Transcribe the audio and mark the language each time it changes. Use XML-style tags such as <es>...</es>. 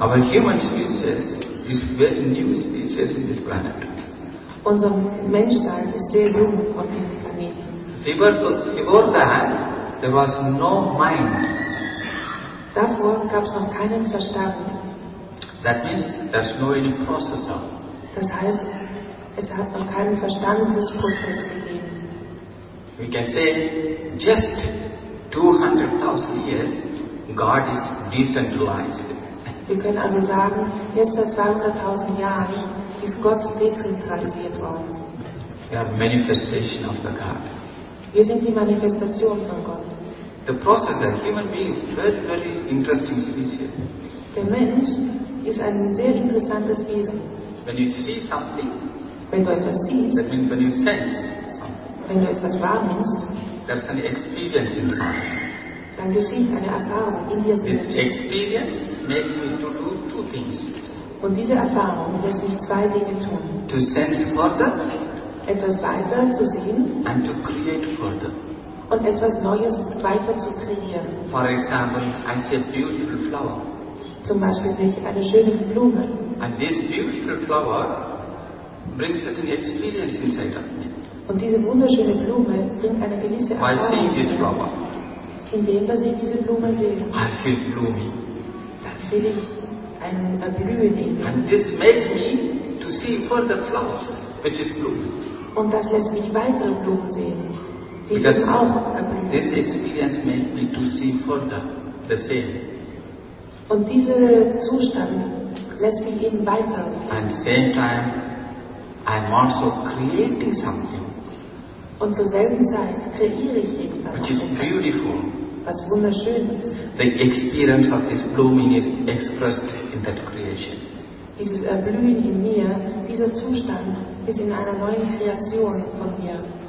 <en>Our human species is very new species in this planet.</en> <de>Unser Menschsein ist sehr jung auf diesem Planeten.</de> <en>Before that, there was no mind.</en> <de>Davor gab es noch keinen Verstand.</de> <en>That means there's no any processor.</en> <de>Das heißt, es hat noch keinen Verstandesprozess gegeben.</de> <en>We can say, just 200,000 years, God is decentralized.</en> <de>Wir können also sagen, jetzt seit 200,000 Jahren ist Gott dezentralisiert worden.</de> <en>We are manifestation of the God.</en> <de>Wir sind die Manifestation von Gott.</de> <en>The processor, human being, is very, very interesting species.</en> <de>Der Mensch ist ein sehr interessantes Wesen.</de> <en>When you see something,</en> <de>wenn du etwas siehst,</de> <en>that means when you sense,</en> <de>wenn du etwas wahrnimmst,</de> <en>There's an experience in Swami.</en> <de>Dann geschieht eine Erfahrung in dir selbst.</de> <en>This experience makes me to do two things.</en> <de>Und diese Erfahrung lässt mich zwei Dinge tun.</de> <en>To sense further.</en> <de>Etwas weiter zu sehen.</de> <en>And to create further.</en> <de>Und etwas Neues weiter zu kreieren.</de> <en>For example, I see a beautiful flower.</en> <de>Zum Beispiel sehe ich eine schöne Blume.</de> <en>And this beautiful flower brings certain experience inside of me.</en> <de>Und diese wunderschöne Blume bringt eine gewisse Erfahrung.</de> <en>While seeing this flower.</en> <de>Indem, dass ich diese Blume sehe.</de> <en>I feel bloomy.</en> <de>Dann fühle ich ein Blühen in mir.</de> <en>And this makes me to see further flowers, which is blooming.</en> <de>Und das lässt mich weitere Blumen sehen, die das auch erblühen.</de> <en>This experience makes me to see further the same.</en> <de>Und dieser Zustand lässt mich eben weiter.</de> <en>And same time, I'm also creating something.</en> <de>Und zur selben Zeit kreiere ich etwas.</de> <en>Which is beautiful.</en> <de>Was wunderschön ist.</de> <en>The experience of this blooming is expressed in that creation.</en> <de>Dieses Erblühen in mir, dieser Zustand, ist in einer neuen Kreation von mir.</de>